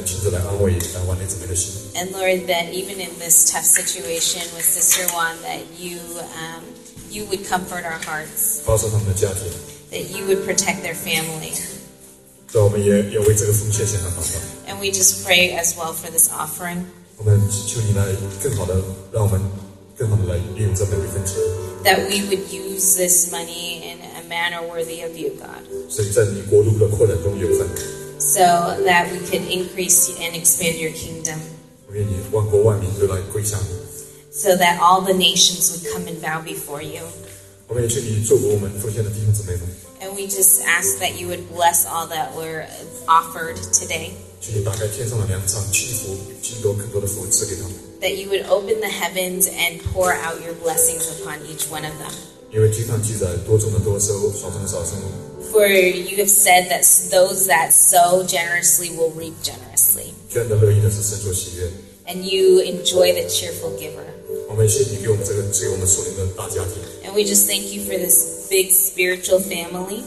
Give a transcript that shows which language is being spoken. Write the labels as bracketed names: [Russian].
[English] And Lord, that even in this tough situation with Sister Juan, that you would comfort our hearts. [Chinese] 保守他们的家庭, [English] that you would protect their family. [Chinese] 对, 我们也为这个奉献献上祷告。 [English] And we just pray as well for this offering. [Chinese] 我们求你来更好的让我们更好的来利用这每一分钱。 [English] That we would use this money in a manner worthy of you, God. [Chinese] 所以在你国度的扩展中有份。 [English] So that we could increase and expand your kingdom. [Chinese] 我愿意万国万民都来归向你。 [English] So that all the nations would come and bow before you. [Chinese] 我们也求你祝福我们奉献的弟兄姊妹们。 [English] And we just ask that you would bless all that were offered today. [Chinese] 求你打开天上的粮仓，祈福，更多更多的福赐给他们。 [English] That you would open the heavens and pour out your blessings upon each one of them. [Chinese] 因为经常记载多种的多收，少种的少收。 [English] For you have said that those that sow generously will reap generously. [Chinese] 捐的乐意的是神所喜悦。 [English] And you enjoy the cheerful giver. [Chinese] 我们谢谢你给我们这个赐给我们属灵的大家庭。 [English] And we just thank you for this big spiritual family.